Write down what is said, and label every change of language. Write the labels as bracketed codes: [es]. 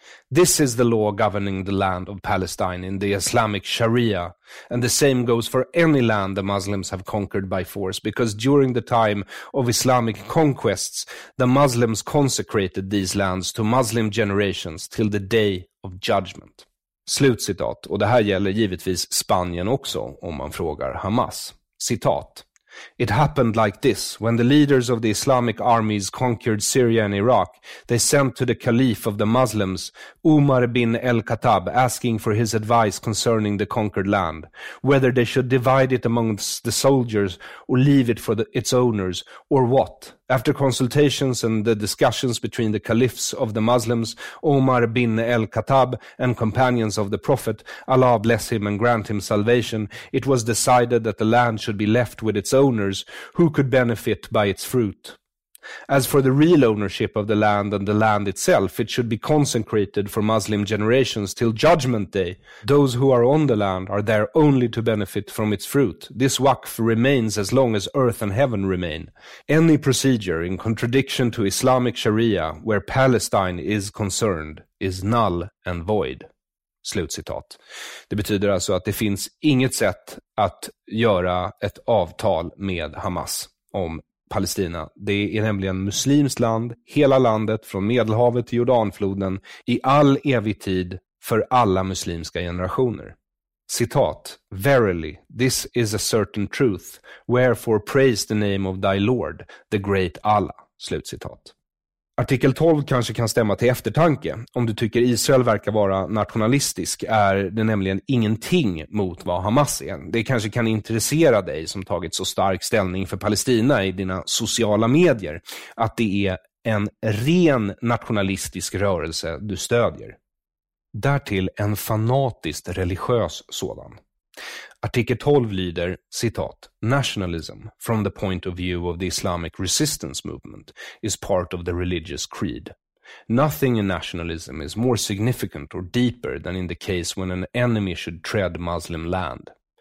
[en] This is the law governing the land of Palestine in the Islamic Sharia, and the same goes for any land the Muslims have conquered by force, because during the time of Islamic conquests, the Muslims consecrated these lands to Muslim generations till the day of judgment. [sv] Slut citat, och det här gäller givetvis Spanien också, om man frågar Hamas. Citat. [en] It happened like this. When the leaders of the Islamic armies conquered Syria and Iraq, they sent to the caliph of the Muslims, Umar bin al-Khattab, asking for his advice concerning the conquered land, whether they should divide it amongst the soldiers or leave it for its owners, or what. After consultations and the discussions between the caliphs of the Muslims, Umar bin al-Khattab and companions of the Prophet, Allah bless him and grant him salvation, it was decided that the land should be left with its owners, who could benefit by its fruit. As for the real ownership of the land and the land itself, it should be consecrated for Muslim generations till Judgment Day. Those who are on the land are there only to benefit from its fruit. This waqf remains as long as earth and heaven remain. Any procedure in contradiction to Islamic Sharia, where Palestine is concerned, is null and void. [sv] Slutcitat. Det betyder alltså att det finns inget sätt att göra ett avtal med Hamas om Palestina. Det är nämligen muslimskt land, hela landet från Medelhavet till Jordanfloden i all evig tid för alla muslimska generationer. Citat, [en] Verily, this is a certain truth, wherefore praise the name of thy Lord, the great Allah. [sv] Slutcitat. Artikel 12 kanske kan stämma till eftertanke. Om du tycker Israel verkar vara nationalistisk är det nämligen ingenting mot vad Hamas är. Det kanske kan intressera dig som tagit så stark ställning för Palestina i dina sociala medier att det är en ren nationalistisk rörelse du stödjer. Därtill en fanatiskt religiös sådan. Artikel 12 lyder, citat, [en] Nationalism, from the point of view of the Islamic resistance movement, is part of the religious creed. Nothing in nationalism is more significant or deeper than in the case when an enemy should tread Muslim land.